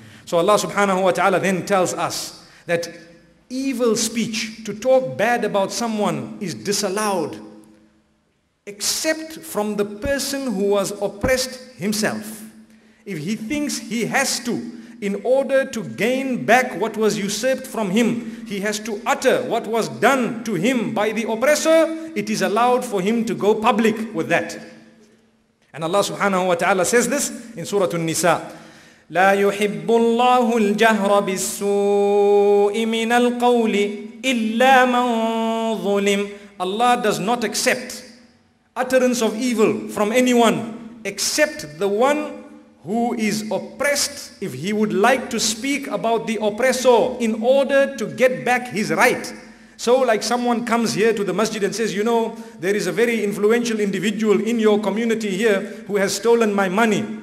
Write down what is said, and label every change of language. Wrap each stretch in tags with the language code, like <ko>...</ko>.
<en>So Allah subhanahu wa ta'ala then tells us that evil speech, to talk bad about someone, is disallowed except from the person who was oppressed himself. If he thinks he has to, in order to gain back what was usurped from him, he has to utter what was done to him by the oppressor, it is allowed for him to go public with that. And Allah subhanahu wa ta'ala says this in Surah An-Nisa.</en> <ar>لا يحب الله الجهر بالسوء من القول إلا من ظلم.</ar> <en>Allah does not accept utterance of evil from anyone except the one who is oppressed. If he would like to speak about the oppressor in order to get back his right. So like someone comes here to the masjid and says, you know, there is a very influential individual in your community here who has stolen my money.</en>